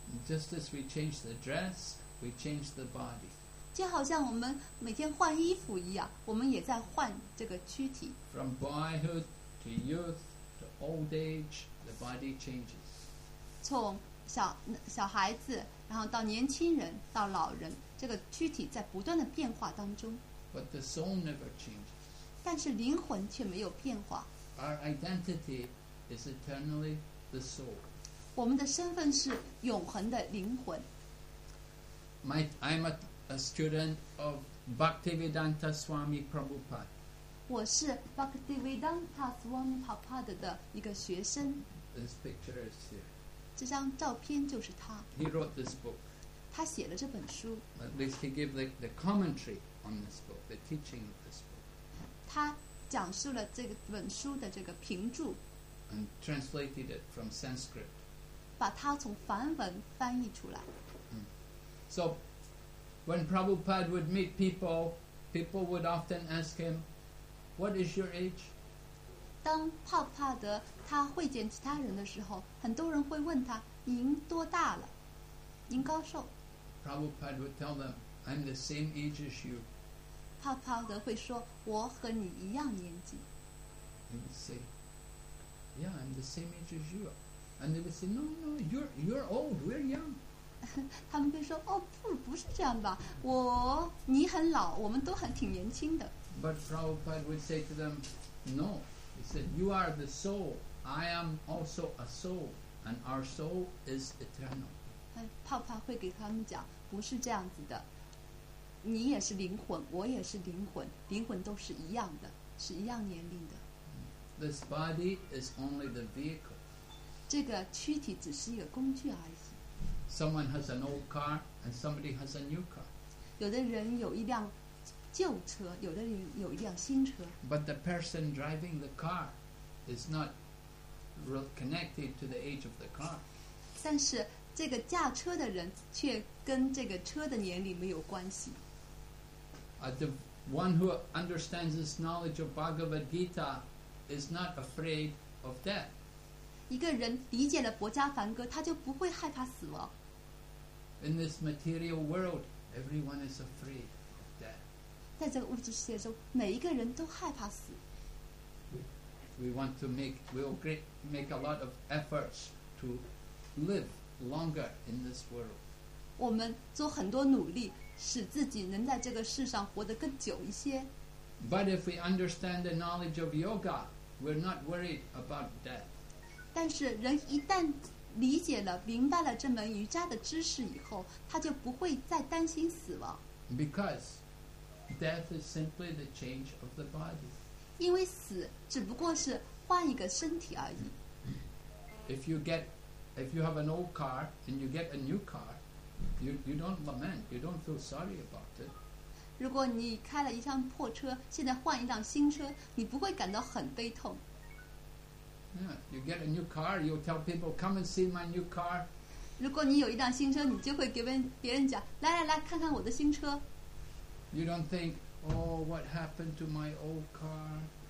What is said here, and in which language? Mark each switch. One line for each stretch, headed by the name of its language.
English: Just as we change the dress, we change the body.
Chinese: 就好像我们每天换衣服一样，我们也在换这个躯体。
English: From boyhood to youth to old age, the body changes.
Chinese: 从小孩子，然后到年轻人，到老人，这个躯体在不断的变化当中。
English: But the soul never changes.
Chinese: 但是灵魂却没有变化。
English: Our identity is eternally the soul.
Chinese: 我们的身份是永恒的灵魂。
English: I'm a student of Bhaktivedanta Swami Prabhupada.
Chinese: 我是 Bhaktivedanta Swami Prabhupada 的一个学生。
English: This picture is here.
Chinese: 这张照片就是他。
English: He wrote this book.
Chinese: 他写了这本书。
English: At least he gave the commentary on this book, the teaching of this book.
Chinese: 他讲述了这本书的这个评注。
English: And translated it from Sanskrit.
Chinese: 把它从梵文翻译出来。
English: So, when Prabhupada would meet people, people would often ask him, "What is your age?"
Chinese: 当帕帕德他会见其他人的时候，很多人会问他：“您多大了？您高寿？”
English: Prabhupada would tell them, "I'm the same age as you."
Chinese: 帕帕德会说：“我和你一样年纪。”
English: He would say, "Yeah, I'm the same age as you." And they would say, "No, no, you're old. We're young."
Chinese: 他们会说，哦，不是这样吧？我你很老，我们都很挺年轻的。
English: But Prabhupada would say to them, "No," he said, "You are the soul. I am also a soul, and our soul is eternal."
Chinese: 帕帕会给他们讲，不是这样子的。你也是灵魂，我也是灵魂，灵魂都是一样的，是一样年龄的。
English: This body is only the vehicle.
Chinese: 这个躯体只是一个工具而已。
English: Someone has an old car and somebody has a new car.
Chinese: 有的人有一辆旧车，有的人有一辆新车。
English: But the person driving the car is not connected to the age of the car.
Chinese: 但是这个驾车的人却跟这个车的年龄没有关系。
English: The one who understands this knowledge of Bhagavad Gita is not afraid of death.
Chinese: 一个人理解了博迦梵歌，他就不会害怕死亡。
English: In this material world, everyone is afraid of death.
Chinese: 在这个物质世界中，每一个人都害怕死。
English: We want to make a lot of efforts to live longer in this world.
Chinese: 我们做很多努力，使自己能在这个世上活得更久一些。
English: But if we understand the knowledge of yoga, we're not worried about death.
Chinese: 但是人一旦理解了明白了这门瑜伽的知识以后，他就不会再担心死亡。
English: Because death is simply the change of the body.
Chinese: 因为死只不过是换一个身体而已。
English: If you have an old car and you get a new car, you don't lament, you don't feel sorry about it.
Chinese: 如果你开了一辆破车，现在换一辆新车，你不会感到很悲痛。
English: Yeah, you get a new car, you'll tell people, "Come and see my new car."
Chinese: 如果你有一辆新车，你就会给别人讲，来来来，看看我的新车。
English: You don't think, "Oh, what happened to my old car?"